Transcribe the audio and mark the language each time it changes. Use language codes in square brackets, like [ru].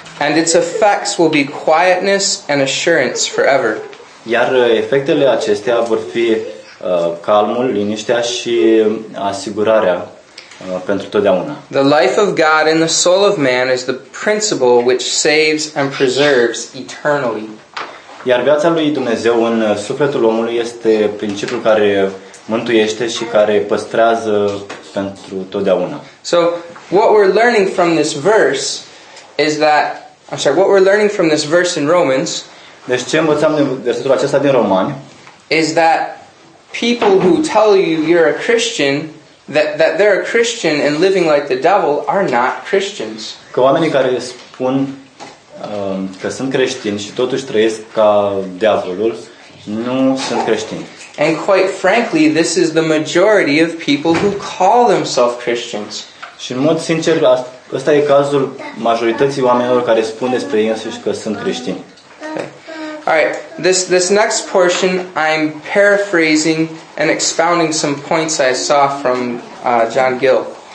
[en] And its effects will be quietness and assurance forever. [ro] Iar efectele acestea vor fi calmul, liniștea și asigurarea pentru totdeauna. [en] The life of God in the soul of man is the principle which saves and preserves eternally. [ro] Iar viața lui Dumnezeu în sufletul omului este principiul care mântuiește și care păstrează pentru totdeauna. [en] So, what we're learning from this verse is that what we're learning from this verse in Romans, [ro] deci ce învățăm din versetul acesta din Romani, [en] is that people who tell you you're a Christian, that they're a Christian and living like the devil are not Christians. [ro] Că oamenii care spun că sunt creștini și totuși trăiesc ca diavolul, nu sunt creștini. [en] And quite frankly, this is the majority of people who call themselves Christians. [ro] Și în mod sincer, ăsta e cazul majorității oamenilor care spun despre ei înșiși că sunt creștini. [en] Okay. All right. This next portion I'm paraphrasing and expounding some points I saw from John Gill.